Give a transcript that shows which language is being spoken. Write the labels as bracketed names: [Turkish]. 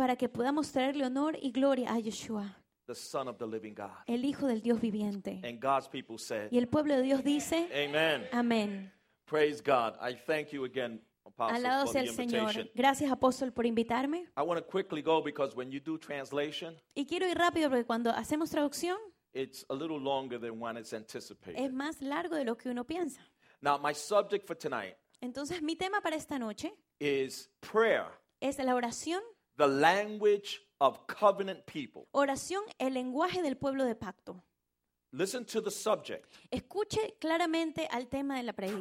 [Spanish] para que podamos traerle honor y gloria a Yeshua, [English] the Son of the Living God, [Spanish] el Hijo del Dios viviente. [English] And God's people said, [Spanish] y el pueblo de Dios dice, amen, amen. [English] Praise God. I thank you again, Apostle, [Spanish] alabado [English] for the invitation. [Spanish] Señor. Gracias, Apóstol, por invitarme. [English] I want to quickly go because when you do translation, [Spanish] y quiero ir rápido porque cuando hacemos traducción, [English] it's a little longer than one is anticipated. [Spanish] Es más largo de lo que uno piensa. [English] Now, my subject for tonight, [Spanish] entonces, mi tema para esta noche, [English] is prayer. [Spanish] Es la oración. [English] The language of covenant people. [Spanish] Oración, el lenguaje del pueblo de pacto. [English] Listen to the subject. [Spanish] Escuche claramente al tema de la pregunta.